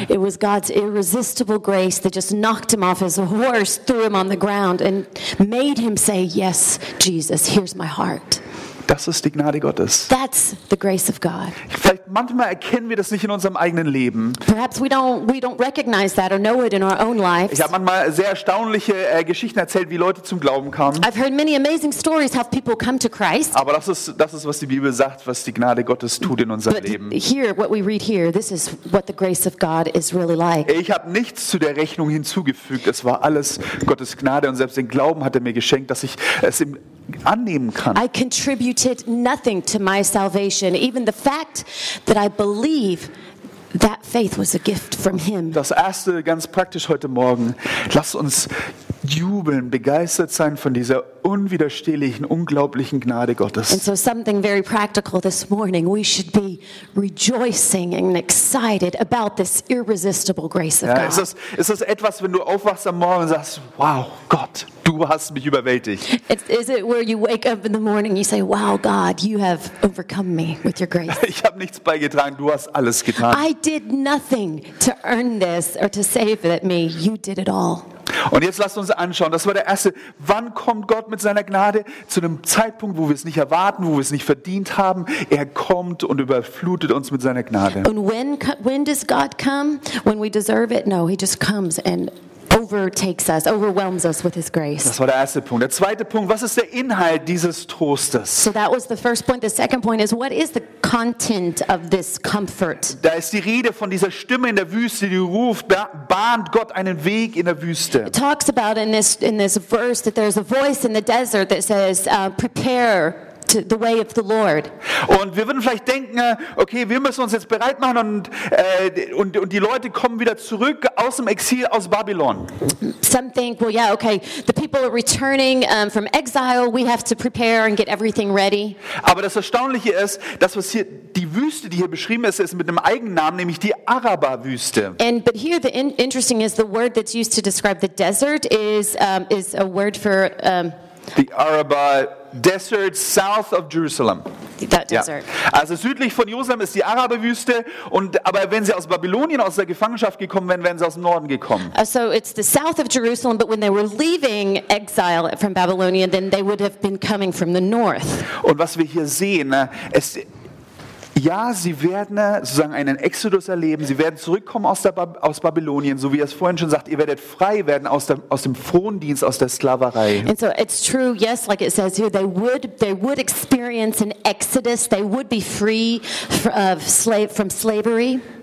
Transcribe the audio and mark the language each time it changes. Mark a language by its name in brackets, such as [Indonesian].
[English] It was God's irresistible grace that just knocked him off his horse, threw him on the ground and made him say, yes, Jesus, here's my heart. [German] Das ist die Gnade Gottes. [English] That's the grace of God. [German] Vielleicht manchmal erkennen wir das nicht in unserem eigenen Leben. [English] Perhaps we don't recognize that or know it in our own lives. [German] Ich habe manchmal sehr erstaunliche Geschichten erzählt, wie Leute zum Glauben kamen. [English] I've heard many amazing stories how people come to Christ. [German] Aber das ist was die Bibel sagt, was die Gnade Gottes tut in unserem Leben. [English] But here what we read here, this is what the grace of God is really like. [German] Ich habe nichts zu der Rechnung hinzugefügt. Es war alles Gottes Gnade und selbst den Glauben hat er mir geschenkt, dass ich es im annehmen kann. [English] I contributed nothing to my salvation, even the fact that I believe that faith was a gift from him. [German] Das erste, ganz praktisch heute Morgen, lass uns jubeln, begeistert sein von dieser unwiderstehlichen, unglaublichen Gnade Gottes. [English] And so something very practical this morning, we should be rejoicing and excited about this irresistible grace of God. [German] Ist das etwas, wenn du aufwachst am Morgen und sagst, wow, Gott, du hast mich überwältigt. [English] Is it where you wake up in the morning and you say, wow, God, you have overcome me with your grace. [German] Ich habe nichts beigetragen, du hast alles getan. [English] I did nothing to earn this or to save it at me. You did it all. [German] Und jetzt lasst uns anschauen, das war der erste, wann kommt Gott mit seiner Gnade? Zu einem Zeitpunkt, wo wir es nicht erwarten, wo wir es nicht verdient haben. Er kommt und überflutet uns mit seiner Gnade. [English] And when does God come? When we deserve it? No, he just comes and overtakes us, overwhelms us with his grace. [German] Das war der erste Punkt. Der zweite Punkt, was ist der Inhalt dieses Trostes? [English] So that was the first point. The second point is, what is the content of this comfort? [German] Da ist die Rede von dieser Stimme in der Wüste, die ruft, bahnt Gott einen Weg in der Wüste. [English] It talks about in this verse that there's a voice in the desert that says, prepare to the way of the Lord. [German] Und wir würden vielleicht denken, okay, wir müssen uns jetzt bereit machen und die Leute kommen wieder zurück aus dem Exil aus Babylon. [English] Some think, well, yeah, okay, the people are returning from exile, we have to prepare and get everything ready. [German] Aber das Erstaunliche ist, dass was hier die Wüste, die hier beschrieben ist, ist mit einem eigenen Namen, nämlich die Araba-Wüste. [English] But here the interesting is the word that's used to describe the desert is a word for the Araba Desert south of Jerusalem. That desert. [German] Ja. Also südlich von Jerusalem ist die Araberwüste und aber wenn sie aus Babylonien aus der Gefangenschaft gekommen wären, wären sie aus dem Norden gekommen. [English] So it's the south of Jerusalem, but when they were leaving exile from Babylonia, then they would have been coming from the north. [German] Und was wir hier sehen, Ja, sie werden sozusagen einen Exodus erleben, sie werden zurückkommen aus Babylonien, so wie er es vorhin schon sagt, ihr werdet frei werden aus dem Frondienst, aus der Sklaverei. [English] And so it's true, yes, like it says here, they would experience an exodus, they would be free from slavery.